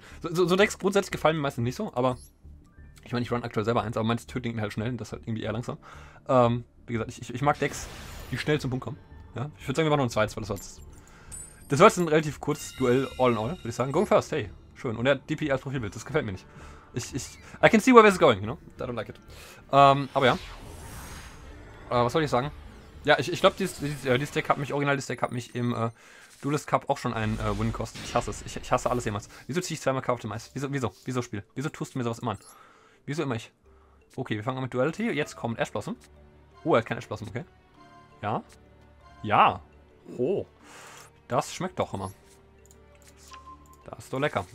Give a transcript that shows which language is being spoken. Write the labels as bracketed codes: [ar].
[de] So Decks grundsätzlich gefallen mir meistens nicht so, aber ich meine, ich run aktuell selber eins, aber meins tötet ihn halt schnell und das halt irgendwie eher langsam. Wie gesagt, ich mag Decks, die schnell zum Punkt kommen. Ja? Ich würde sagen, wir machen nur ein 2-2, das war jetzt ein relativ kurzes Duell, [en] all in all, [de] würde ich sagen. [en] Going first, [de] hey, schön. Und er hat DP als Profilbild, das gefällt mir nicht. [en] I can see where this is going, you know, I don't like it. [de] Aber ja, was soll ich sagen? Ja, ich glaube, das Deck hat mich im Duelist Cup auch schon einen Win gekostet. Ich hasse es. Ich hasse alles jemals. Wieso ziehe ich zweimal Karte auf dem Eis? Wieso Spiel? Wieso tust du mir sowas immer an? Wieso immer ich? Okay, wir fangen an mit Duality. Jetzt kommt Ash Blossom. Oh, er hat kein Ash Blossom, okay. Ja. Ja. Oh. Das schmeckt doch immer. Das ist doch lecker.